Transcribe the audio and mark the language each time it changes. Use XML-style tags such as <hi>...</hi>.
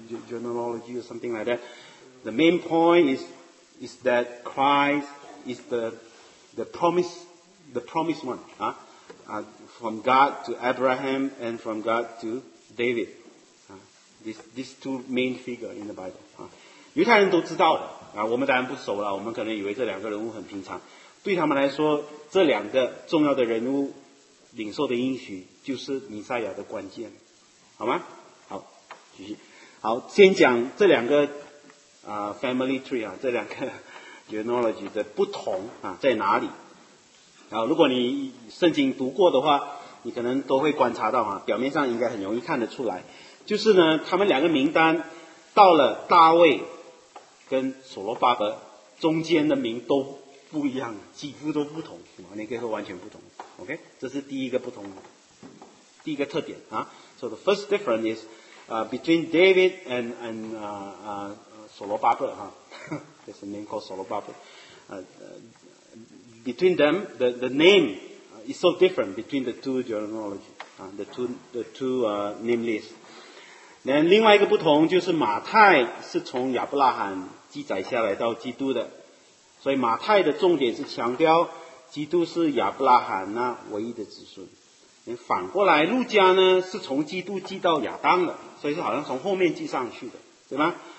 <en>Genealogy or something like that. The main point is that Christ is the promised one, from God to Abraham and from God to David. These two main figures in the Bible.</en> <zh>犹太人都知道的我们当然不熟了，我们可能以为这两个人物很平常。对他们来说，这两个重要的人物领受的应许就是弥赛亚的关键。好吗？好，继续。好，先讲这两个family tree 啊，这两个 genealogy 的不同啊在哪里？啊，如果你圣经读过的话，你可能都会观察到啊，表面上应该很容易看得出来，就是呢，他们两个名单到了大卫跟所罗巴伯中间的名都不一样，几乎都不同，你可以说完全不同。 OK， 这是第一个不同，第一个特点啊。</zh> <en>So the first difference is between David and Solobaba, huh? There's a name called Solobaba. Between them, the name is so different between the two genealogy, name lists.</en> <zh>Then, 另外一个不同就是马太是从亚伯拉罕记载下来到基督的，所以马太的重点是强调基督是亚伯拉罕那唯一的子孙。反过来，路加呢是从基督记到亚当的，所以是好像从后面记上去的，对吗？</zh>